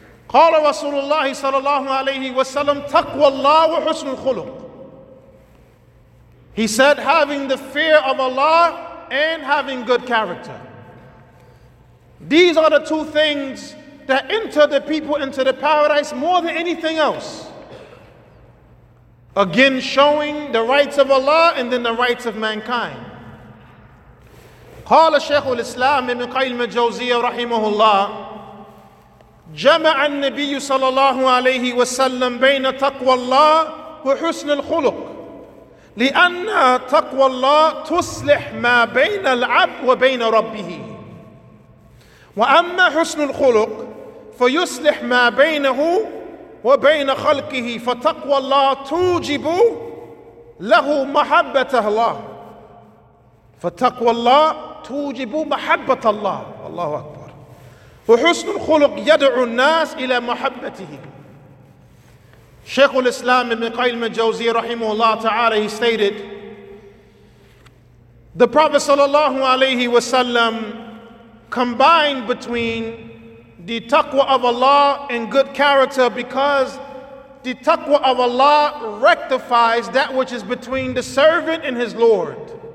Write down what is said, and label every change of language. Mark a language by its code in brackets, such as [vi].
[ar] قَالَ رَسُولُ اللَّهِ صَلَى اللَّهُ عَلَيْهِ وَسَلَّمْ تَقْوَى اللَّهُ وَحُسْنُ الْخُلُقِ [en] He said, having the fear of Allah and having good character. These are the two things that enter the people into the paradise more than anything else. Again, showing the rights of Allah and then the rights of mankind. [ar] قال شيخ الإسلام ابن قيم الجوزية رحمه الله جمع النبي صلى الله عليه وسلم بين تقوى الله وحسن الخلق لأن تقوى الله تصلح ما بين العبد وبين ربه وأما حسن الخلق فيصلح ما بينه وَبَيْنَ خَلْقِهِ فَتَقْوَى اللَّهِ تُوجِبُ لَهُ مَحَبَّةَ اللَّهِ فَتَقْوَى اللَّهِ تُوجِبُ مَحَبَّةَ اللَّهِ الله أكبر وحسن الخلق يدعو الناس إلى محبته شيخ الإسلام ابن قيم الجوزي رحمه الله تعالى [en] he stated The Prophet sallallahu alayhi wasallam combined between the taqwa of Allah and good character, because the taqwa of Allah rectifies that which is between the servant and his Lord.